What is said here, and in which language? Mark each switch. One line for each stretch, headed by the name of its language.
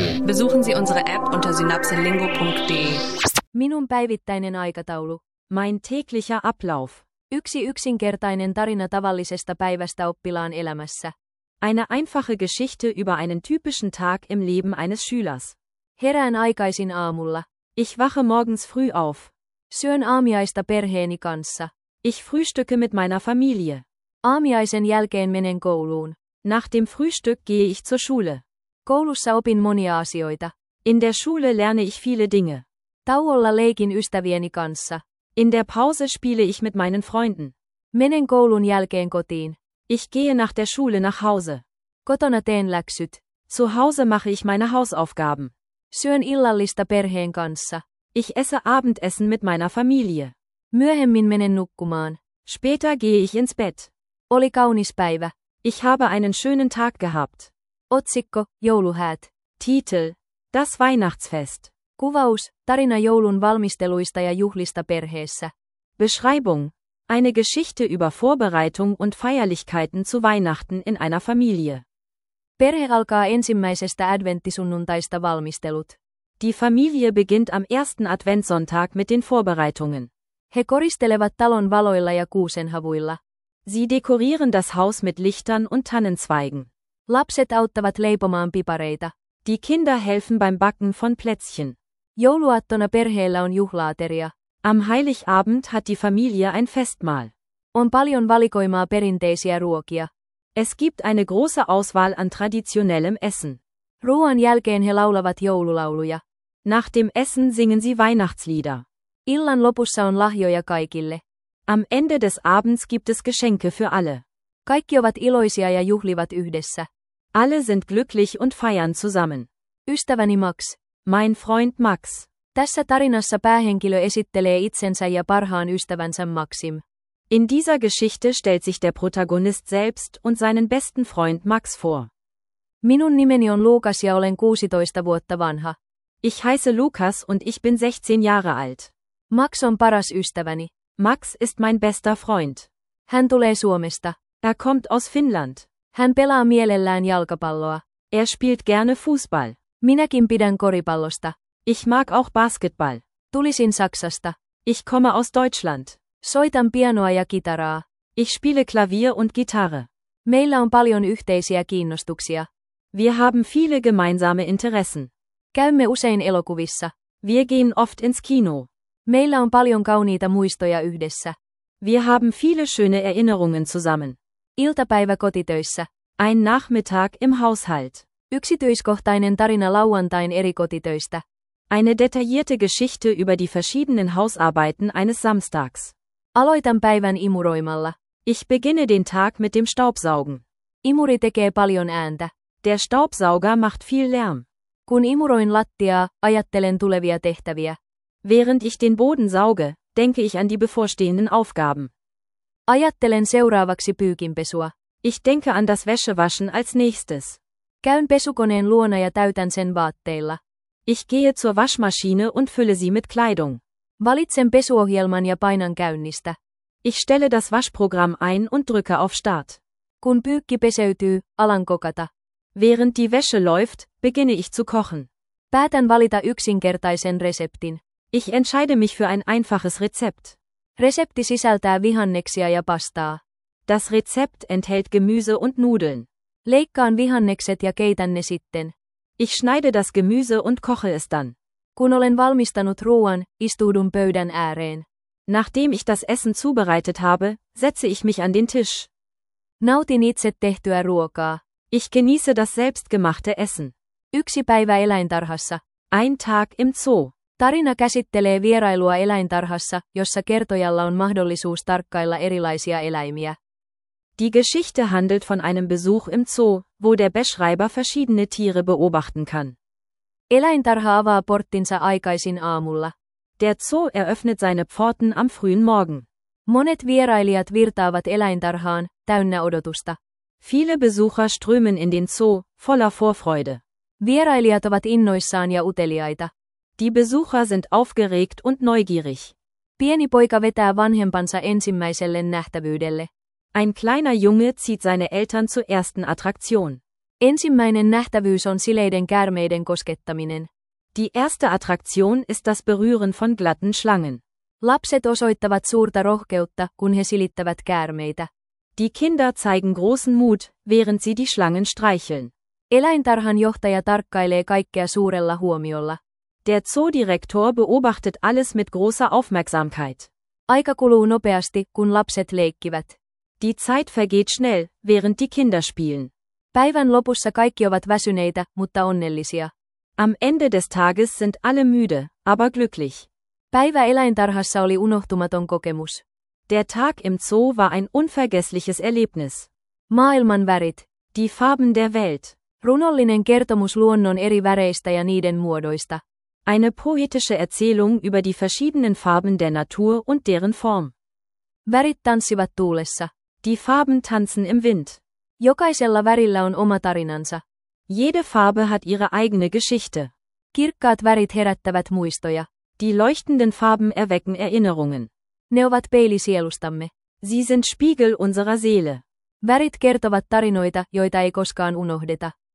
German: Besuchen Sie unsere App unter synapsenlingo.de.
Finnish: Minun päivittäinen aikataulu.
German: Mein täglicher Ablauf.
Finnish: Yksi yksinkertainen tarina tavallisesta päivästä oppilaan elämässä.
German: Eine einfache Geschichte über einen typischen Tag im Leben eines Schülers.
Finnish: Herään aikaisin aamulla.
German: Ich wache morgens früh auf.
Finnish: Syön aamiaista perheeni kanssa.
German: Ich frühstücke mit meiner Familie.
Finnish: Aamiaisen jälkeen menen kouluun.
German: Nach dem Frühstück gehe ich zur Schule.
Finnish: Koulussa opin monia asioita. In der Schule lerne ich viele Dinge. Tauolla leikin ystävieni kanssa.
German: In der Pause spiele ich mit meinen Freunden.
Finnish: Menen koulun jälkeen kotiin.
German: Ich gehe nach der Schule nach Hause.
Finnish: Kotona teen läksyt.
German: Zu Hause mache ich meine Hausaufgaben.
Finnish: Syön illallista perheen kanssa.
German: Ich esse Abendessen mit meiner Familie.
Finnish: Myöhemmin menen nukkumaan.
German: Später gehe ich ins Bett.
Finnish: Oli kaunis päivä.
German: Ich habe einen schönen Tag gehabt.
Finnish: Otsikko, jouluhäät.
German: Titel, das Weihnachtsfest.
Finnish: Kuvaus, tarina joulun valmisteluista ja juhlista perheessä.
German: Beschreibung, eine Geschichte über Vorbereitung und Feierlichkeiten zu Weihnachten in einer Familie.
Finnish: Perhe alkaa ensimmäisestä adventtisunnuntaista valmistelut.
German: Die Familie beginnt am ersten Adventssonntag mit den Vorbereitungen.
Finnish: He koristelevat talon valoilla ja kuusenhavuilla.
German: Sie dekorieren das Haus mit Lichtern und Tannenzweigen.
Finnish: Lapset auttavat leipomaan pipareita.
German: Die Kinder helfen beim Backen von Plätzchen.
Finnish: Jouluaattona perheellä on juhlaateria.
German: Am Heiligabend hat die Familie ein Festmahl.
Finnish: On paljon valikoimaa perinteisiä ruokia.
German: Es gibt eine große Auswahl an traditionellem Essen.
Finnish: Ruoan jälkeen he laulavat joululauluja.
German: Nach dem Essen singen sie Weihnachtslieder.
Finnish: Illan lopussa on lahjoja kaikille.
German: Am Ende des Abends gibt es Geschenke für alle.
Finnish: Kaikki ovat iloisia ja juhlivat yhdessä.
German: Alle sind glücklich und feiern zusammen.
Finnish: Ystäväni Max.
German: Mein Freund Max.
Finnish: Tässä tarinassa päähenkilö esittelee itsensä ja parhaan ystävänsä Maxim.
German: In dieser Geschichte stellt sich der Protagonist selbst und seinen besten Freund Max vor.
Finnish: Minun nimeni on Lukas ja olen 16 vuotta vanha.
German: Ich heiße Lukas und ich bin 16 Jahre alt.
Finnish: Max on paras ystäväni.
German: Max ist mein bester Freund.
Finnish: Hän tulee Suomesta.
German: Er kommt aus Finnland.
Finnish: Hän pelaa mielellään jalkapalloa.
German: Er spielt gerne Fußball.
Finnish: Minäkin pidän koripallosta.
German: Ich mag auch Basketball.
Finnish: Tulisin Saksasta.
German: Ich komme aus Deutschland.
Finnish: Soitan pianoa ja kitaraa.
German: Ich spiele Klavier und Gitarre.
Finnish: Meillä on paljon yhteisiä kiinnostuksia.
German: Wir haben viele gemeinsame Interessen.
Finnish: Käymme usein elokuvissa.
German: Wir gehen oft ins Kino.
Finnish: Meillä on paljon kauniita muistoja yhdessä.
German: Wir haben viele schöne Erinnerungen zusammen.
Finnish: Iltapäivä kotitöissä.
German: Ein Nachmittag im Haushalt.
Finnish: Yksityiskohtainen tarina lauantain eri kotitöistä.
German: Eine detaillierte Geschichte über die verschiedenen Hausarbeiten eines Samstags.
Finnish: Aloitan päivän imuroimalla.
German: Ich beginne den Tag mit dem Staubsaugen.
Finnish: Imuri tekee paljon ääntä.
German: Der Staubsauger macht viel Lärm.
Finnish: Kun imuroin lattiaa, ajattelen tulevia tehtäviä.
German: Während ich den Boden sauge, denke ich an die bevorstehenden Aufgaben.
Finnish: Ajattelen seuraavaksi pyykinpesua.
German: Ich denke an das Wäschewaschen als nächstes.
Finnish: Käyn pesukoneen luona ja täytän sen vaatteilla.
German: Ich gehe zur Waschmaschine und fülle sie mit Kleidung.
Finnish: Valitsen pesuohjelman ja painan käynnistä.
German: Ich stelle das Waschprogramm ein und drücke auf Start.
Finnish: Kun pyykki peseytyy, alan kokata.
German: Während die Wäsche läuft, beginne ich zu kochen.
Finnish: Päätän valita yksinkertaisen reseptin.
German: Ich entscheide mich für ein einfaches Rezept.
Finnish: Resepti sisältää vihanneksia ja pastaa.
German: Das Rezept enthält Gemüse und Nudeln.
Finnish: Leikkaan vihannekset ja keitän ne sitten.
German: Ich schneide das Gemüse und koche es dann.
Finnish: Kun olen valmistanut ruoan, istuudun pöydän ääreen.
German: Nachdem ich das Essen zubereitet habe, setze ich mich an den Tisch.
Finnish: Nautin itse tehtyä ruokaa.
German: Ich genieße das selbstgemachte Essen.
Finnish: Yksi päivä eläintarhassa.
German: Ein Tag im Zoo.
Finnish: Tarina käsittelee vierailua eläintarhassa, jossa kertojalla on mahdollisuus tarkkailla erilaisia eläimiä.
German: Die Geschichte handelt von einem Besuch im Zoo, wo der Beschreiber verschiedene Tiere beobachten kann.
Finnish: Eläintarha avaa porttinsa aikaisin aamulla.
German: Der Zoo eröffnet seine Pforten am frühen Morgen.
Finnish: Monet vierailijat virtaavat eläintarhaan, täynnä odotusta.
German: Viele Besucher strömen in den Zoo, voller Vorfreude.
Finnish: Vierailijat ovat innoissaan ja uteliaita.
German: Die Besucher sind aufgeregt und neugierig.
Finnish: Pieni poika vetää vanhempansa ensimmäiselle nähtävyydelle.
German: Ein kleiner Junge zieht seine Eltern zur ersten Attraktion.
Finnish: Ensimmäinen nähtävyys on sileiden käärmeiden koskettaminen.
German: Die erste Attraktion ist das Berühren von glatten Schlangen.
Finnish: Lapset osoittavat suurta rohkeutta, kun he silittävät käärmeitä.
German: Die Kinder zeigen großen Mut, während sie die Schlangen streicheln.
Finnish: Eläintarhan johtaja tarkkailee kaikkea suurella huomiolla.
German: Der Zoodirektor beobachtet alles mit großer Aufmerksamkeit.
Finnish: Aika kuluu nopeasti, kun lapset leikkivät.
German: Die Zeit vergeht schnell, während die Kinder spielen.
Finnish: Päivän lopussa kaikki ovat väsyneitä, mutta onnellisia.
German: Am Ende des Tages sind alle müde, aber glücklich.
Finnish: Päivä eläintarhassa oli unohtumaton kokemus.
German: Der Tag im Zoo war ein unvergessliches Erlebnis.
Finnish: Maailman värit.
German: Die Farben der Welt.
Finnish: Runollinen kertomus luonnon eri väreistä ja niiden muodoista.
German: Eine poetische Erzählung über die verschiedenen Farben der Natur und deren Form.
Finnish: Värit tanssivat tuulessa.
German: Die Farben tanzen im Wind.
Finnish: Jokaisella värillä on oma tarinansa.
German: Jede Farbe hat ihre eigene Geschichte.
Finnish: Kirkkaat värit herättävät muistoja.
German: Die leuchtenden Farben erwecken Erinnerungen.
Finnish: Ne ovat peili sielustamme.
German: Sie sind Spiegel unserer Seele.
Finnish: Värit kertovat tarinoita, joita ei koskaan unohdeta.